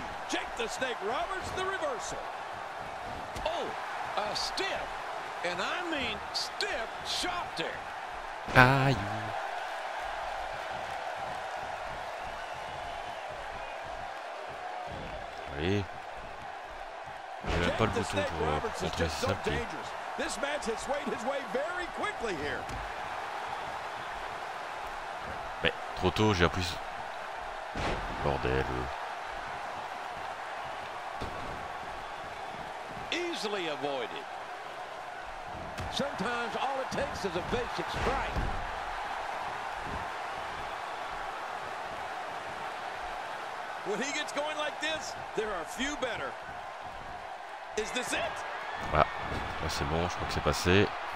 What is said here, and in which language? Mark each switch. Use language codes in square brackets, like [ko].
[en] Jake the Snake Roberts, the reversal. Oh, a stiff. And I mean stiff shot there. Aïe. [fr] Allez. J'ai même pas le bouton pour contrer ce sapier. [en] This match has swayed his way very quickly here. [fr] Mais trop tôt, j'ai appuyé. Bordel. [en] Easily avoided. Sometimes all it takes is a basic strike. When he gets going like this, there are few better. Is this it? [fr] Ah, c'est bon, je crois que c'est passé.